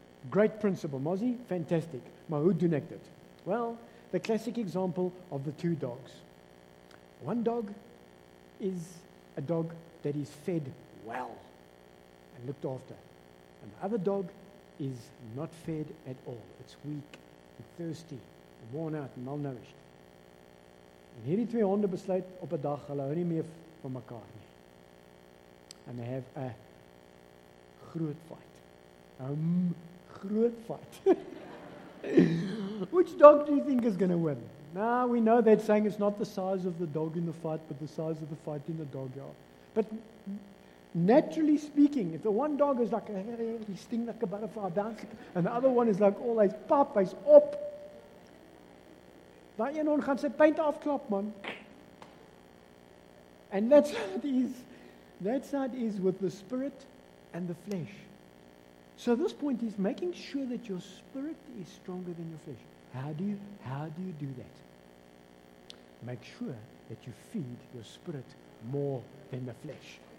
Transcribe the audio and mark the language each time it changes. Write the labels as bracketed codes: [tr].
[en] Great principle, Mozzie. Fantastic. Mahudunekdit. Well, the classic example of the two dogs. One dog is a dog that is fed well and looked after. And the other dog is not fed at all. It's weak and thirsty. Worn out and malnourished. [af] En hierdie twee honde besluit op 'n dag hulle hou nie meer van mekaar nie. [en] And they have a groot fight. Groot fight. Which dog do you think is going to win? Now we know that saying it's not the size of the dog in the fight, but the size of the fight in the dog, yeah. But naturally speaking, if the one dog is like, he sting like a butterfly, dance, and the other one is like, oh, he's pop, he's op. [af] Daar een hond gaan sy pynt afklap, man. [en] And that's how it is with the spirit and the flesh. So this point is making sure that your spirit is stronger than your flesh. How do you do that? Make sure that you feed your spirit more than the flesh.